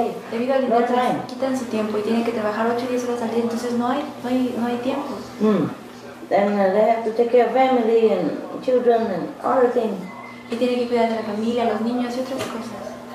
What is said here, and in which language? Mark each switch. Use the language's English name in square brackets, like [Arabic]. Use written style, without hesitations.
[Spanish] Debido al dinero, quitan su tiempo y tienen que trabajar 8 o 10 horas al día, entonces no hay tiempo. [English] They have to take care of family and children and other things. [Spanish] Y tienen que cuidar de la familia, los niños y otras cosas.